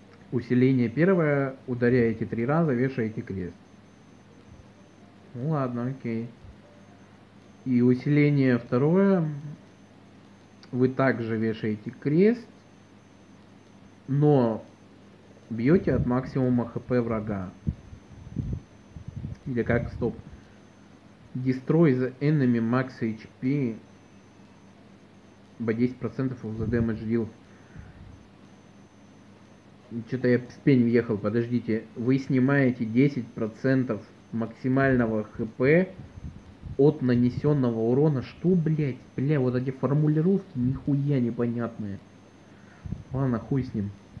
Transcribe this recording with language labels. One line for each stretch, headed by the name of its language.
Russian: Усиление первое, ударяете 3 раза, вешаете крест. Ну ладно, окей. И усиление второе, вы также вешаете крест, но бьете от максимума хп врага. Или как, стоп.
English: Destroy the enemy max HP by 10% of the damage deal.
Russian: Что-то я в пень въехал, подождите. Вы снимаете 10% максимального хп от нанесенного урона. Что, блять? Бля, вот эти формулировки нихуя непонятные. Ладно, хуй с ним.